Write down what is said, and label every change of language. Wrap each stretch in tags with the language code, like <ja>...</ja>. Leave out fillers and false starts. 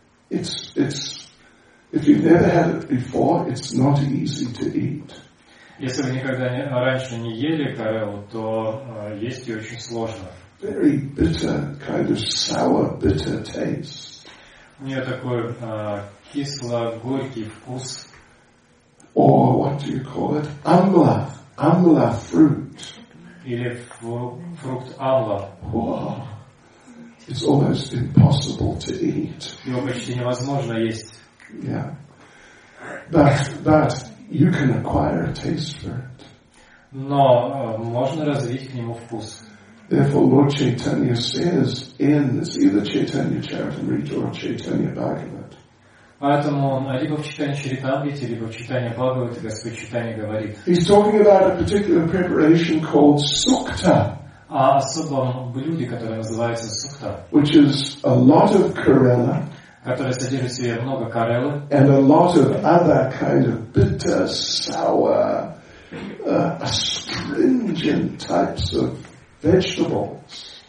<en>If you've never had it before, it's not easy to eat.</en> <ru>Если вы никогда раньше не ели Кареллу, то есть ее очень сложно.</ru> <en>Very bitter, kind of sour, bitter taste.</en> <ru>У нее такой кисло-горький вкус.</ru> <en>Or what do you call it? Amla. Amla fruit.</en> <ru>Или фрукт амла.</ru> <en>Wow. It's almost impossible to eat.</en> <ru>Его почти невозможно есть.</ru> <en>Yeah. But you can acquire a taste for it.</en> <ru>Но можно развить к нему вкус.</ru> <en>Therefore, Lord Chaitanya says in, it's either Chaitanya Charitamrita or Chaitanya Bhagavat.</en> <ru>Поэтому либо в читании Чаритамриты, либо в читании Бхагаваты Господь Чайтанья говорит.</ru> <en>He's talking about a particular preparation called sukta.</en> <ru>О особом блюде, которое называется сукта.</ru> <en>Which is a lot of karela.</en> <ru>Которое содержит в себе много кареллы.</ru> <en>And a lot of other kind of bitter, sour, astringent types of vegetables.</en>